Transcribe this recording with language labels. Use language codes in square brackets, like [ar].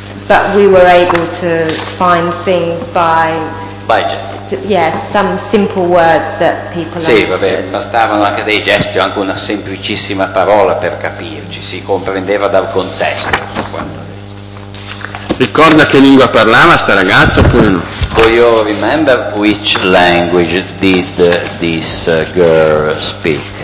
[en] But we were able to find things by budget. Yes, some simple words that people [it] sì, [en] understood. [it] Vabbè, bastavano anche dei gesti o anche una semplicissima parola per capirci, si comprendeva dal contesto. Ricorda che lingua parlava sta ragazza oppure no? [en] Do you remember which language did this girl speak?